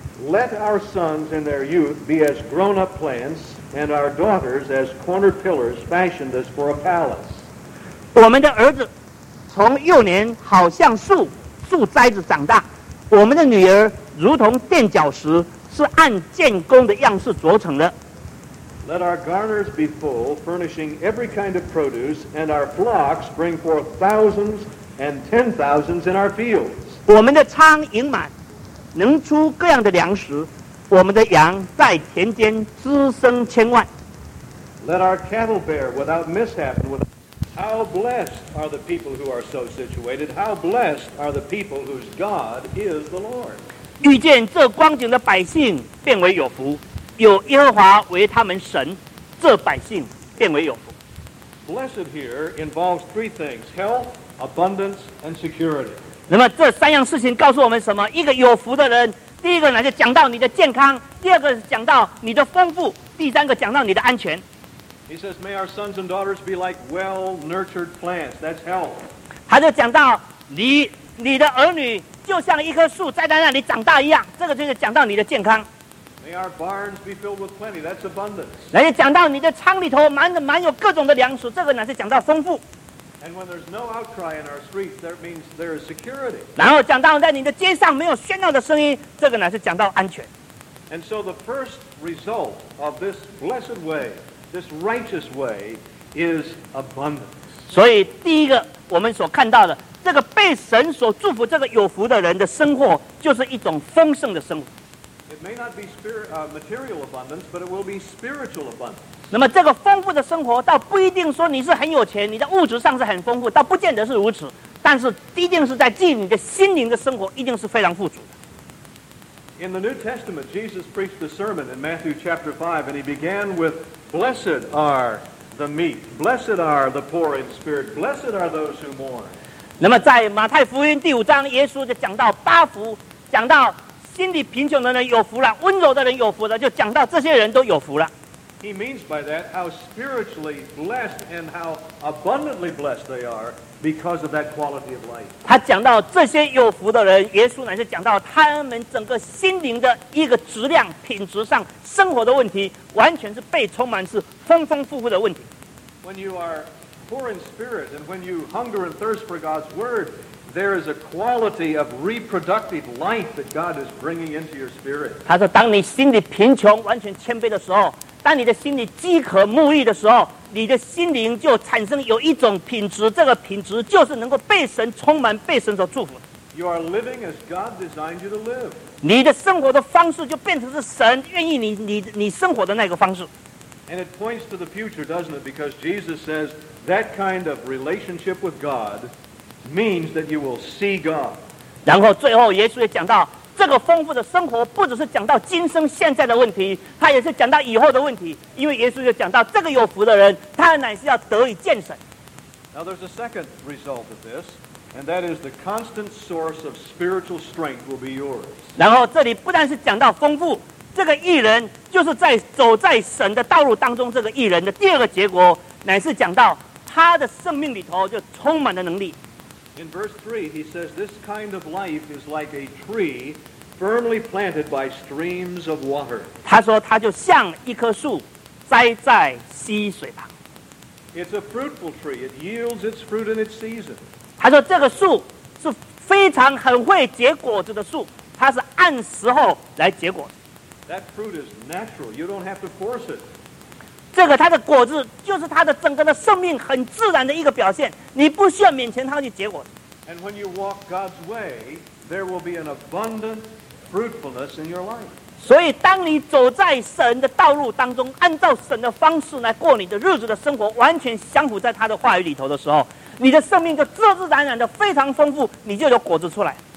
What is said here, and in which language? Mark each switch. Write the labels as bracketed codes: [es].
[en] Let our sons in their youth be as grown-up plants, and our daughters as corner pillars fashioned as for a palace. [zh] 我们的儿子从幼年好像树，树栽子长大；我们的女儿如同垫脚石，是按建工的样式琢成的。 [en] Let our garners be full, furnishing every kind of produce, and our flocks bring forth thousands and ten thousands in our fields. [zh] 我们的仓盈满，能出各样的粮食，我们的羊在田间滋生千万。 [en] Let our cattle bear without mishap. How blessed are the people who are so situated? How blessed are the people whose God is the Lord? [zh] 遇见这光景的百姓变为有福，有耶和华为他们神，这百姓变为有福。 [en] Blessed here involves three things: health, abundance, and security. [zh] 那么这三样事情告诉我们什么？一个有福的人，第一个呢就讲到你的健康，第二个讲到你的丰富，第三个讲到你的安全。 [en] He says, "May our sons and daughters be like well-nurtured plants." That's health. [zh] 他就讲到你的儿女就像一棵树栽在那里长大一样，这个就是讲到你的健康。 [en] May our barns be filled with plenty. That's abundance. [zh] 来讲到你的仓里头满有各种的粮食，这个呢是讲到丰富。 [en] And when there's no outcry in our streets, that means there is security. [zh] 然后讲到在你的街上没有喧闹的声音，这个呢是讲到安全。 [en] And so the first result of this blessed way, this righteous way, is abundance. [zh] 所以第一个我们所看到的，这个被神所祝福、这个有福的人的生活，就是一种丰盛的生活。 [en] It may not be material abundance, but it will be spiritual abundance. [zh] 那么这个丰富的生活倒不一定说你是很有钱，你的物质上是很丰富，倒不见得是如此。但是一定是在基于你的心灵的生活，一定是非常富足的。 [en] In the New Testament, Jesus preached the sermon in Matthew chapter 5, and he began with, "Blessed are the meek, blessed are the poor in spirit, blessed are those who mourn." [zh] 那么在马太福音第五章，耶稣就讲到八福，讲到心里贫穷的人有福了，温柔的人有福了，就讲到这些人都有福了。 [en] He means by that how spiritually blessed and how abundantly blessed they are because of that quality of life. [zh] 他讲到这些有福的人，耶稣乃是讲到他们整个心灵的一个质量、品质上生活的问题，完全是被充满，是丰丰富富的问题。 [en] When you are poor in spirit and when you hunger and thirst for God's word. There is a quality of reproductive life that God is bringing into your spirit. [zh] 他说，当你心里贫穷、完全谦卑的时候，当你的心里饥渴沐浴的时候，你的心灵就产生有一种品质，这个品质就是能够被神充满、被神所祝福。 [en] You are living as God designed you to live. [zh] 你的生活的方式就变成是神愿意你生活的那个方式。 [en] And it points to the future, doesn't it? Because Jesus says that kind of relationship with God. Means that you will see God. [zh] 然后最后，耶稣也讲到这个丰富的生活，不只是讲到今生现在的问题，他也是讲到以后的问题。因为耶稣就讲到，这个有福的人，他乃是要得以见神。 [en] Now there's a second result of this, and that is the constant source of spiritual strength will be yours. [zh] 然后这里不但是讲到丰富，这个义人就是在走在神的道路当中，这个义人的第二个结果乃是讲到他的生命里头就充满了能力。 [en] In verse 3, he says, this kind of life is like a tree firmly planted by streams of water. [zh] 他说他就像一棵树栽在溪水旁。 [en] It's a fruitful tree. It yields its fruit in its season. [zh] 他说这个树是非常很会结果子的树，它是按时候来结果。 [en] That fruit is natural. You don't have to force it. [zh] 这个它的果子就是它的整个的生命很自然的一个表现，你不需要勉强它去结果。 [en] And when you walk God's way, there will be an abundant fruitfulness in your life. [zh] 所以当你走在神的道路当中，按照神的方式来过你的日子的生活，完全相符在他的话语里头的时候，你的生命就自自然然的非常丰富，你就有果子出来。